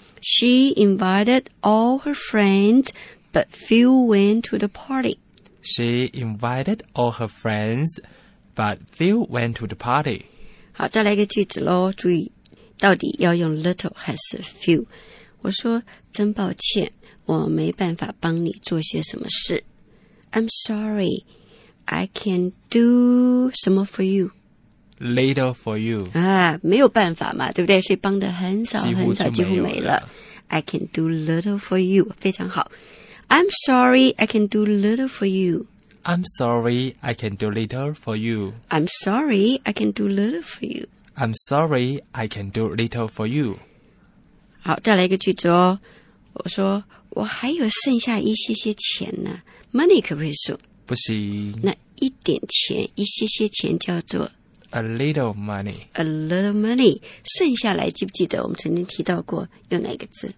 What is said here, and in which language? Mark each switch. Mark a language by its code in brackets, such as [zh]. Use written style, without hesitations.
[en] She invited all her friends, but few went to the party. She invited all her friends, but few went to the party. [zh] 好，再来一个句子咯，注意到底要用 little 还是 few。我说真抱歉，我没办法帮你做些什么事。 [en] I'm sorry, I can do [zh] 什么 [en] for you? Little for you. [zh] 啊，没有办法嘛，对不对？所以帮得很少很少，几乎没了。 [en] I can do little for you. [zh] 非常好。 [en] I'm sorry, I can do little for you. I'm sorry, I can do little for you. I'm sorry, I can do little for you. I'm sorry, I can do little for you. [zh] 好，再来一个句子哦。我说我还有剩下一些些钱呢。 Money 可不可以数？不行。那一点钱，一些些钱叫做 [en] a little money. A little money. [zh] 剩下来，记不记得我们曾经提到过用哪个字？